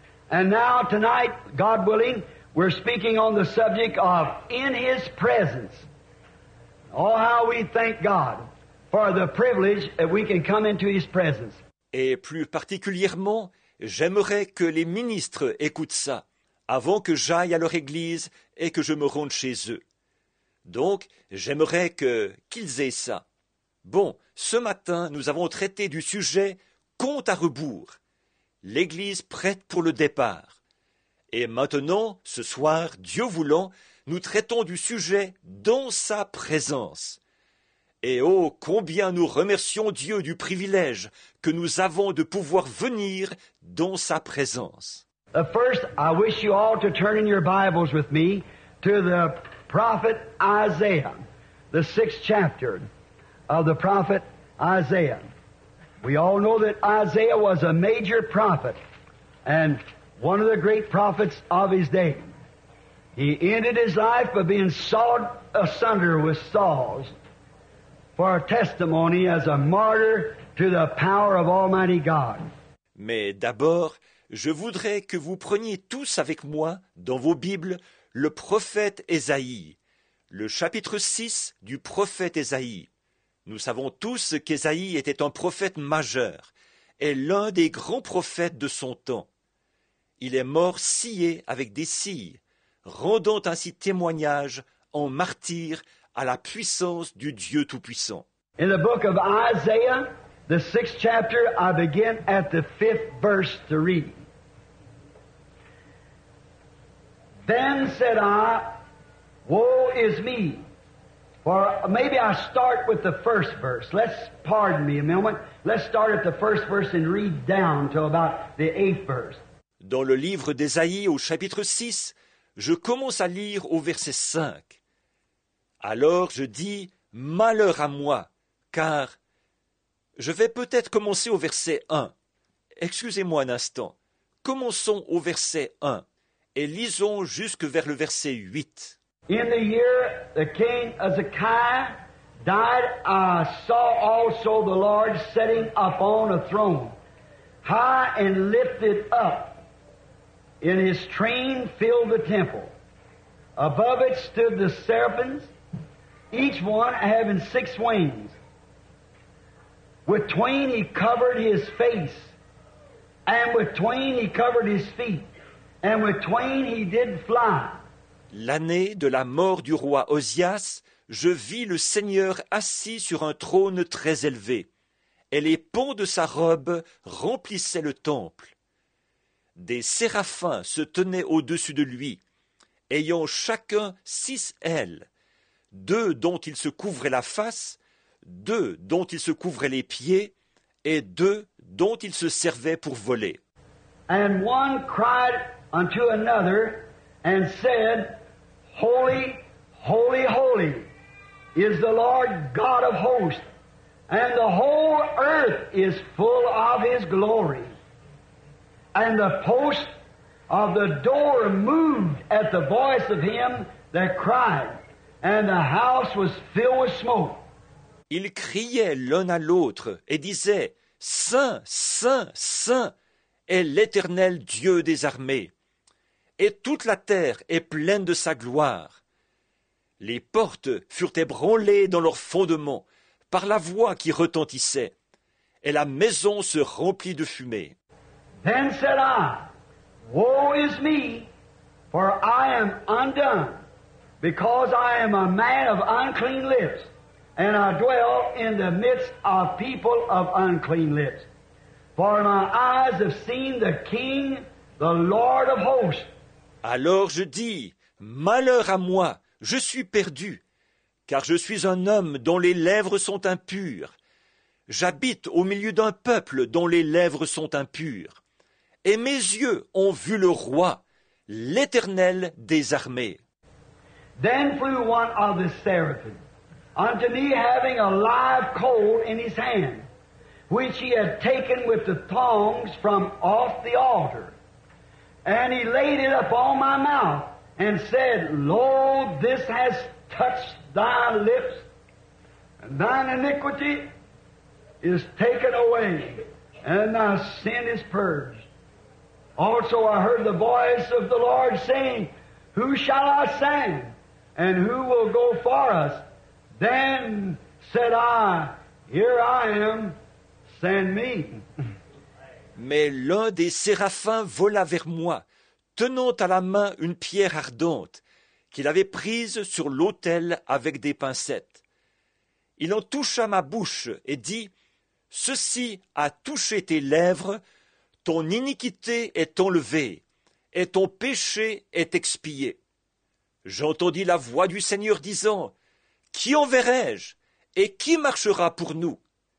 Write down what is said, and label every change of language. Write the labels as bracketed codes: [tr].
[en] And now tonight, God willing, we're speaking on the subject of in His presence. Oh, how we thank God for the privilege that we can come into His presence. [fr] Et plus particulièrement, j'aimerais que les ministres écoutent ça avant que j'aille à leur église et que je me rende chez eux. Donc, j'aimerais qu'ils aient ça. Bon, ce matin, nous avons traité du sujet compte à rebours, l'église prête pour le départ. Et maintenant, ce soir, Dieu voulant, nous traitons du sujet dans sa présence. Et oh, combien nous remercions Dieu du privilège que nous avons de pouvoir venir dans sa présence. [en] First, I wish you all to turn in your Bibles with me to the prophet Isaiah, the 6th chapter of the prophet Isaiah. We all know that Isaiah was a major prophet and one of the great prophets of his day. He ended his life by being sawed asunder with saws for a testimony as a martyr to the power of Almighty God. [fr] Mais d'abord, je voudrais que vous preniez tous avec moi dans vos Bibles le prophète Ésaïe, le chapitre 6 du prophète Ésaïe. Nous savons tous qu'Ésaïe était un prophète majeur et l'un des grands prophètes de son temps. Il est mort scié avec des scies, rendant ainsi témoignage en martyr à la puissance du Dieu Tout-Puissant. [en] In the book of Isaiah, The sixth chapter, I begin at the fifth verse to read. Then said I, woe is me. Or maybe I start with the first verse. Let's pardon me a moment. Let's start at the first verse and read down to about the eighth verse. [fr] Dans le livre d'Ésaïe au chapitre 6, je commence à lire au verset 5. Alors je dis, malheur à moi, car je vais peut-être commencer au verset 1. Excusez-moi un instant. Commençons au verset 1 et lisons jusque vers le verset 8. [en] In the year the king Ezekiah died, I saw also the Lord sitting upon a throne, high and lifted up, and his train filled the temple. Above it stood the serpents, each one having six wings. With twain he covered his face, and with twain he covered his feet, and with twain he did fly. [fr] L'année de la mort du roi Ozias, je vis le Seigneur assis sur un trône très élevé, et les pans de sa robe remplissaient le temple. Des séraphins se tenaient au-dessus de lui, ayant chacun six ailes, deux dont il se couvrait la face, deux dont il se couvrait les pieds, et deux dont il se servait pour voler. [en] And one cried unto another and said, holy, holy, holy is the Lord God of hosts, and the whole earth is full of his glory. And the post of the door moved at the voice of him that cried, and the house was filled with smoke. [fr] Ils criaient l'un à l'autre et disaient, saint, saint, saint est l'Éternel Dieu des armées. Et toute la terre est pleine de sa gloire. Les portes furent ébranlées dans leurs fondements par la voix qui retentissait, et la maison se remplit de fumée. [en] Then said I, woe is me, for I am undone, because I am a man of unclean lips, and I dwell in the midst of people of unclean lips. For my eyes have seen the King, the Lord of hosts. [fr] Alors je dis, malheur à moi, je suis perdu, car je suis un homme dont les lèvres sont impures. J'habite au milieu d'un peuple dont les lèvres sont impures. Et mes yeux ont vu le roi, l'Éternel des armées. [en] Then flew one of the seraphim unto me, having a live coal in his hand, which he had taken with the tongs from off the altar. And he laid it upon my mouth, and said, lo, this has touched thy lips, and thine iniquity is taken away, and thy sin is purged. Also I heard the voice of the Lord saying, who shall I send, and who will go for us? Then said I, here I am, send me. [fr] Mais l'un des séraphins vola vers moi, tenant à la main une pierre ardente qu'il avait prise sur l'autel avec des pincettes. Il en toucha ma bouche et dit, « Ceci a touché tes lèvres, ton iniquité est enlevée et ton péché est expié. » J'entendis la voix du Seigneur disant, « Qui enverrai-je et qui marchera pour nous ?»